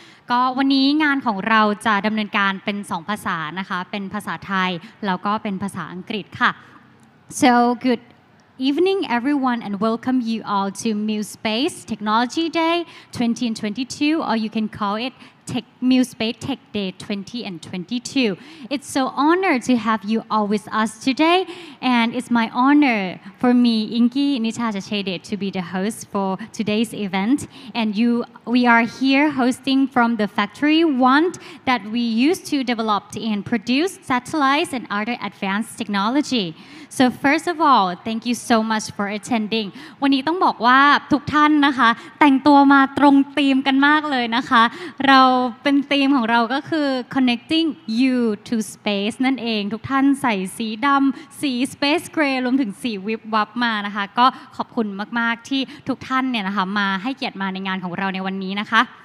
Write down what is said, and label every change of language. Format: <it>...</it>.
<th>ก็วันนี้งานของเราจะดำเนินการเป็น2ภาษานะคะเป็นภาษาไทยแล้วก็เป็นภาษาอังกฤษค่ะ</th> <en>So good evening everyone and welcome you all to Mill Space Technology Day 2022 or you can call itMill Space Tech Day 2022. It's so honor to have you all with us today, and it's my honor for me, Inki Nitasha Chede, to be the host for today's event. And you, we are here hosting from the factory one that we used to develop and produce satellites and other advanced technology. So first of all, thank you so much for attending.</en> <th>วันนี้ต้องบอกว่าทุกท่านนะคะแต่งตัวมาตรงธีมกันมากเลยนะคะเราเป็นธีมของเราก็คือ</th> <en>connecting you to space</en> <th>นั่นเองทุกท่านใส่สีดำสี space gray รวมถึงสีวิบวับมานะคะก็ขอบคุณมากๆที่ทุกท่านเนี่ยนะคะมาให้เกียรติมาในงานของเราในวันนี้นะคะ</th>